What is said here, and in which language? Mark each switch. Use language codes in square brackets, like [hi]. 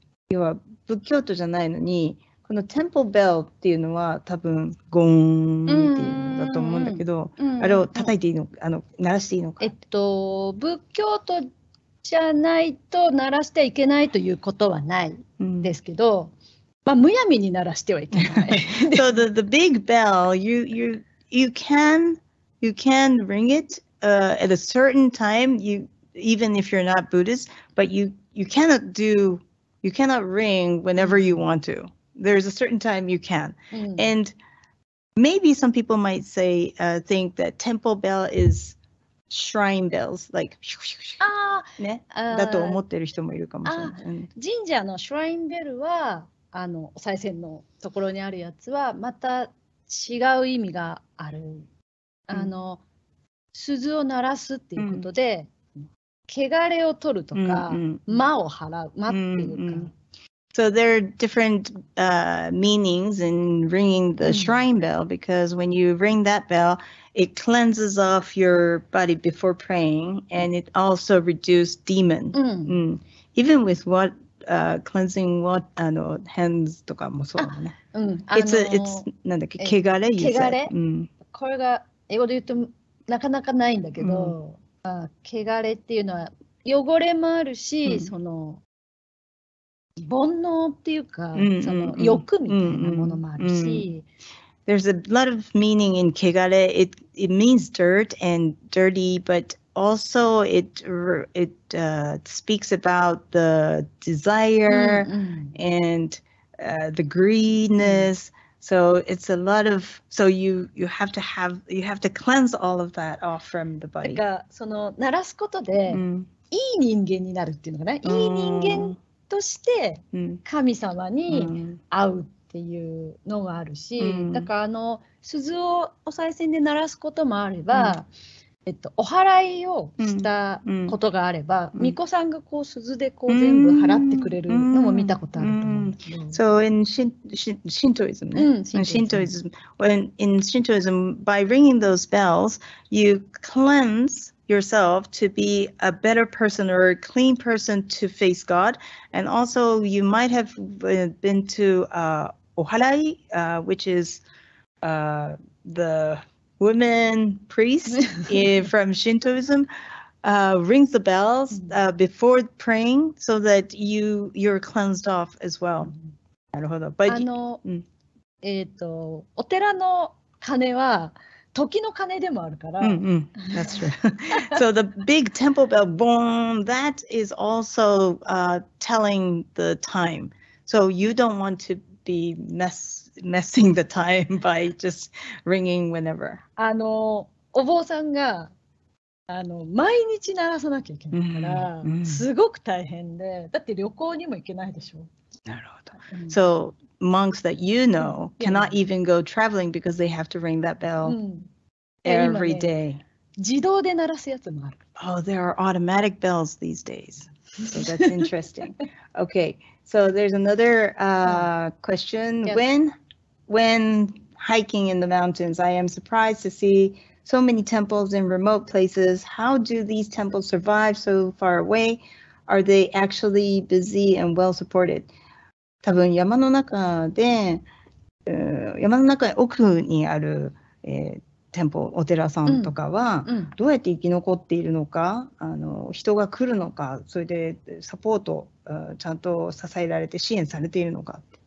[ja] 要は仏教徒じゃないのに、この temple bell っていうのは多分ゴーンっていうのだと思うんだけど、あれを叩いていいの、鳴らしていいのか。仏教徒じゃないと鳴らしてはいけないということはないんですけど、まあ、むやみに鳴らしてはいけない。 [en] So the big bell, you can ring it at a certain time, you even if you're not Buddhist, but you cannot ring whenever you want to. There's a certain time you can. And maybe some people might say think that temple bell is shrine bells, like [ja] ね、だと思ってる人もいるかもしれない。神社のシュラインベルは、お賽銭のところにあるやつは、また違う意味がある。鈴を鳴らすっていうことで、汚れを取るとか、魔を払う、魔っていうか。 [en] So there are different meanings in ringing the shrine bell, because when you ring that bell, it cleanses off your body before praying, and it also reduces demon. Even with what cleansing what hands とかもそうだね。 It's [ja] なんだっけ、汚れ [en] you said。 [ja] これが英語で言うとなかなかないんだけど、汚れっていうのは汚れもあるし、その煩悩っていうか、その欲みたいなものもあるし。 [en] There's a lot of meaning in kegare. It means dirt and dirty, but also it speaks about the desire and the greediness. So it's a lot of, so you have to cleanse all of that off from the body. [ja] だからその鳴らすことでいい人間になるっていうのかな。いい人間として神様に会うっていうのがあるし、だからあの鈴をお賽銭で鳴らすこともあれば、お祓いをしたことがあれば、巫女さんがこう鈴でこう全部払ってくれるのも見たことあると思うんですけど。 [en] So in Shintoism, Shintoism, by ringing those bells, you cleanse yourself to be a better person or a clean person to face God, and also you might have been to oharai, which is the women priests from Shintoism rings the bells before praying so that you're cleansed off as well. [ja] なるほど。 [en] But, [ja] お寺の鐘は時の鐘でもあるから。 [en] That's true. So the big temple bell, boom, that is also telling the time. So you don't want to be messing the time by just ringing whenever. [ja] あのお坊さんがあの毎日鳴らさなきゃいけないから、すごく大変で、だって旅行にも行けないでしょ。なるほど。 [en] So monks that you know cannot even go traveling because they have to ring that bell every day. [ja] 自動で鳴らすやつもある。 [en] Oh, there are automatic bells these days. So that's interesting. Okay, so there's another question. Yes. When hiking in the mountains, I am surprised to see so many temples in remote places. How do these temples survive so far away? Are they actually busy and well supported? [ja] 多分山の中で、山の中奥にある、店舗、お寺さんとかは、どうやって生き残っているのか、あの人が来るのか、それでサポート、ちゃんと支えられて支援されているのか。